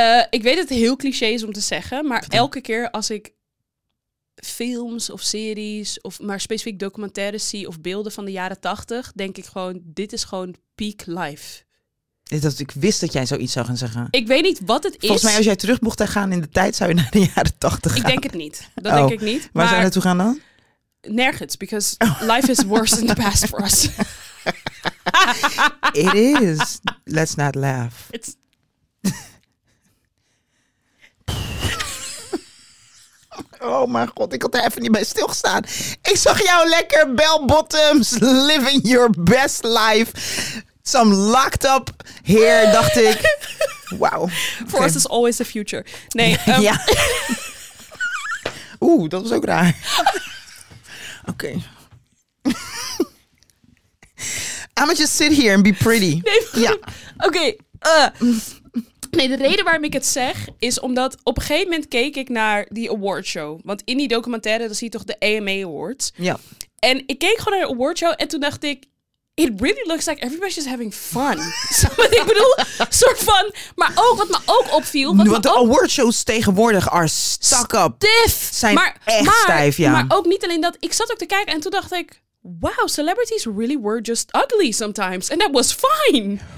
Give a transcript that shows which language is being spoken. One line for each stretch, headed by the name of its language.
Dutch: Ik weet dat het heel cliché is om te zeggen, maar elke keer als ik films of series of maar specifiek documentaires zie of beelden van de jaren 80, denk ik gewoon, dit is gewoon peak life. Dat ik wist dat jij zoiets zou gaan zeggen. Ik weet niet wat het is. Volgens mij als jij terug mocht gaan in de tijd, zou je naar de jaren 80 gaan. Ik denk het niet. Dat denk ik niet. Waar zou je naartoe gaan dan? nergens.
English: Because life is worse in the past for us. It is. Let's not laugh. It's...
Dutch: Oh mijn god, ik had er even niet bij stilgestaan. Ik zag jou lekker bell bottoms living your best life.
English: Some locked up hair, dacht ik. Wow. For okay. us is always the future. Nee.
Dutch: ja. Oeh, dat was ook raar. Oké. Okay.
English: I'm gonna just sit here and be pretty.
Dutch: Nee, ja. Oké. Okay, Nee, de reden waarom ik het zeg is omdat op een gegeven moment keek ik naar die awardshow. Want in die documentaire, dan zie je toch de AMA Awards. Ja. En ik keek gewoon naar de awardshow en toen dacht ik...
English: It really looks like everybody's just having fun.
Dutch: Wat ik bedoel, soort van... Maar ook, wat me ook opviel... Want de awardshows tegenwoordig are stuck up.
English: Stiff!
Dutch: Zijn maar, echt maar, stijf, ja. Maar ook niet alleen dat. Ik zat ook te kijken en toen dacht ik...
English: Wow, celebrities really were just ugly sometimes. And that was fine.